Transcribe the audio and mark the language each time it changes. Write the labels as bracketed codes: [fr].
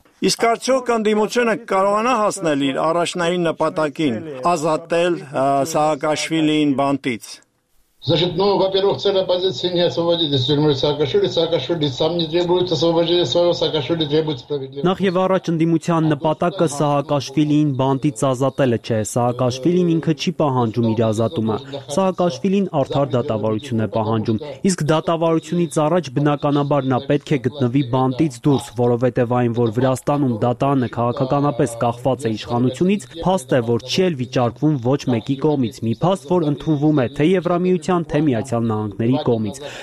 [hy] Իսկ արդյոք ընդդիմությունը կարողանա հասնել իր առաջնային նպատակին՝ ազատել Սաակաշվիլին բանտից։ [ru] Значит, ну, во-первых, цель оппозиции не освободить из тюрьмы Саакашвили. Саакашвили сам не требует освобождения своего, Саакашвили требует справедливости. [hy] Նախ եւ առաջ ընդդիմության նպատակը Սահակաշվիլին բանտից ազատելը չէ։ Սահակաշվիլին ինքը չի պահանջում իր ազատումը։ Սահակաշվիլին արդար դատավարություն է պահանջում։ Իսկ դատավարությունից առաջ բնականաբար նա պետք է գտնվի բանտից դուրս, որովհետեւ այն, որ Վրաստանում դատարանը քաղաքականապես կախված է իշխանությունից, փաստ է, որ չի էլ վիճարկվում ոչ մեկի կողմից, մի փաստ, որ ընդունվում է թե Եվրամիության, թե Միացյալ Նահանգների կոմից։